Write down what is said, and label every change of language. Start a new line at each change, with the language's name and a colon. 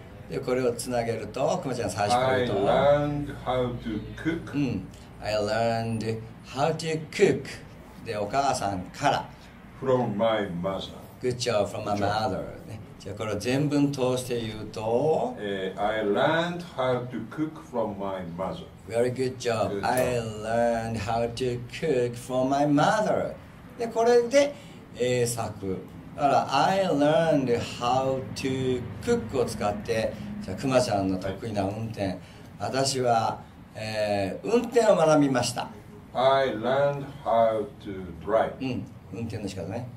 Japanese: で、これをつなげると、くまちゃん最初から言うと、
English: I learned how to cook.
Japanese: うん。
English: I learned how to cook.
Japanese: で、お母さんから、
English: From my mother. Good job. From my mother. ね。
Japanese: じゃあこれを全文通して言うと、
English: I learned how to cook from my mother. Very good job. Good job. I learned how to cook from my mother.
Japanese: で、これで英作。だから
English: I learned how to cook
Japanese: を使って、くまちゃんの得意な運転、はい、私は、運転を学びました。
English: I learned how to drive、
Japanese: うん、運転の仕方ね。